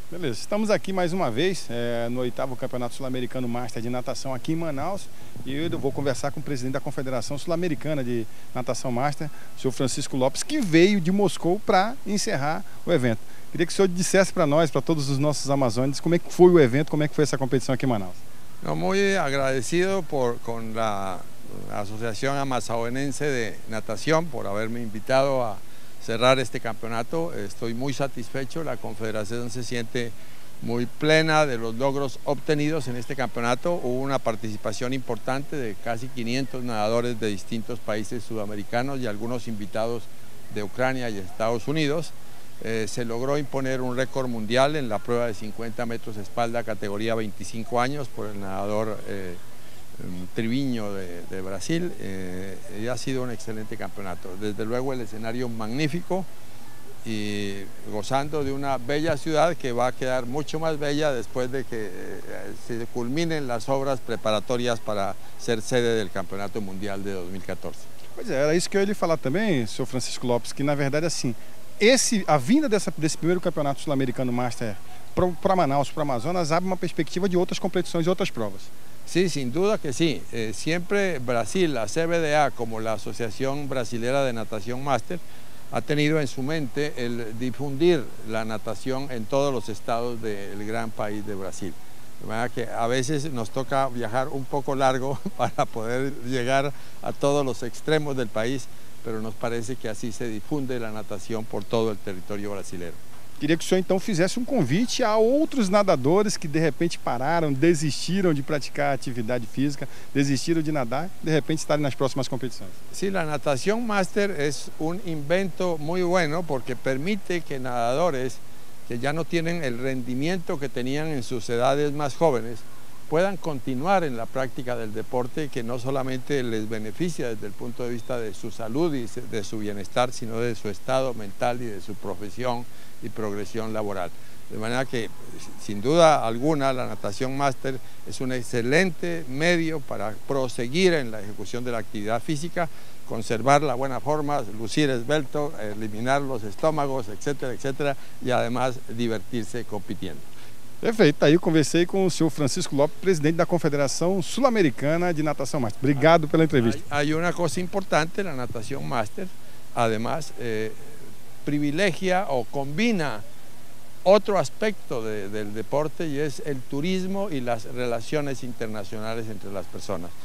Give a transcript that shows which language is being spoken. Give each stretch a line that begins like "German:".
Portuguese: Estamos aqui mais uma vez no 8º Campeonato Sul-Americano Master de Natação aqui em Manaus e eu vou conversar com o presidente da Confederação Sul-Americana de Natação Master, o senhor Francisco Lopes, que veio de Moscou para encerrar o evento. Queria que o senhor dissesse para nós, para todos os nossos amazônicos, como é que foi o evento, como é que foi essa competição aqui em Manaus. Muito agradecido com a Associação Amazonense de Natação por haver me invitado
Spanish: a cerrar este campeonato. Estoy muy satisfecho, la confederación se siente muy plena de los logros obtenidos en este campeonato. Hubo una participación importante de casi 500 nadadores de distintos países sudamericanos y algunos invitados de Ucrania y Estados Unidos. Se logró imponer un récord mundial en la prueba de 50 metros espalda categoría 25 años por el nadador Triviño de Brasil, y ha sido un excelente campeonato. Desde luego el escenario magnífico y gozando de una bella ciudad que va a quedar mucho más bella después de que se culminen las obras preparatorias para ser sede del campeonato mundial de 2014.
Portuguese: Pois é, era isso que eu ia falar também, senhor Francisco Lopes, que na verdade assim, a vinda desse primeiro campeonato sul-americano Master para Manaus, para Amazonas, abre uma perspectiva de outras competições e outras provas.
Spanish: Sí, sin duda que sí. Siempre Brasil, la CBDA, como la Asociación Brasilera de Natación Máster, ha tenido en su mente el difundir la natación en todos los estados del gran país de Brasil. De manera que a veces nos toca viajar un poco largo para poder llegar a todos los extremos del país, pero nos parece que así se difunde la natación por todo el territorio brasilero. Y
Portuguese: Queria que o senhor então fizesse um convite a outros nadadores que de repente pararam, desistiram de praticar atividade física, desistiram de nadar, de repente estarem nas próximas competições.
Spanish: Sim, sí,
Portuguese: a Natação Master é um invento muito bueno porque permite que nadadores que já não têm o rendimento que tinham em suas edades mais jovens
Spanish: puedan continuar en la práctica del deporte, que no solamente les beneficia desde el punto de vista de su salud y de su bienestar, sino de su estado mental y de su profesión y progresión laboral. De manera que, sin duda alguna, la natación máster es un excelente medio para proseguir en la ejecución de la actividad física, conservar la buena forma, lucir esbelto, eliminar los estómagos, etcétera, etcétera, y además divertirse compitiendo.
Portuguese: Perfeito, aí eu conversei com o senhor Francisco Lopes, presidente da Confederação Sul-Americana de Natação Master. Obrigado pela entrevista. Há uma coisa importante na Natação Master, además, privilegia ou combina outro aspecto do deporte, e é o turismo e as relações internacionais entre as pessoas.